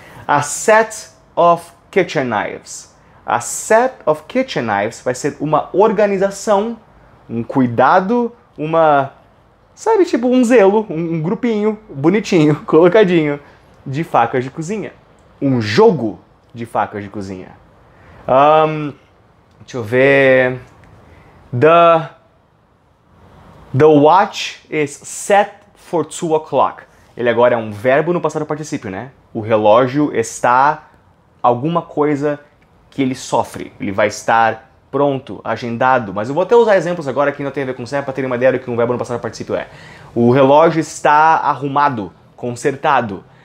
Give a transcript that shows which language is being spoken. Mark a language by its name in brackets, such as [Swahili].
[English] A set of kitchen knives. [Portuguese] A set of kitchen knives vai ser uma organização, um cuidado, uma, sabe, tipo um zelo, um grupinho bonitinho, colocadinho, de facas de cozinha. Um jogo de facas de cozinha. Deixa eu ver. [English] The watch is set for 2 o'clock. [Portuguese] Ele agora é um verbo no passado particípio, né? O relógio está alguma coisa que ele sofre. Ele vai estar pronto, agendado. Mas eu vou até usar exemplos agora que não tem a ver com set, para ter uma ideia do que um verbo no passado particípio é. O relógio está arrumado, consertado.